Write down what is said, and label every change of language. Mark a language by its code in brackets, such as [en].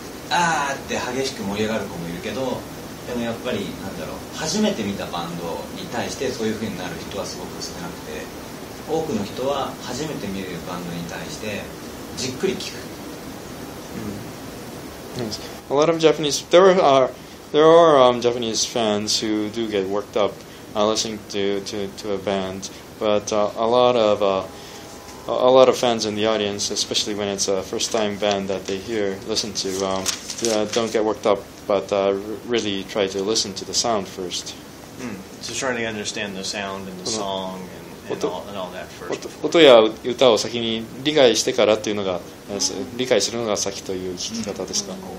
[ja] ああって激しく盛り上がる子もいるけど、でもやっぱりなんだろう。初めて見たバンドに対してそういう風になる人はすごく少なくて、多くの人は初めて見るバンドに対してじっくり聞く。 [en] Yes. A lot of Japanese, there are Japanese fans who do get worked up listening to a band, but a lot of fans in the audience, especially when it's a first time band that they hear, listen to, don't get worked up, but really try to listen to the sound first. So trying to understand the sound and the song and all that first. [ja] 音や歌を先に理解してからというのが理解するのが先という聞き方ですか。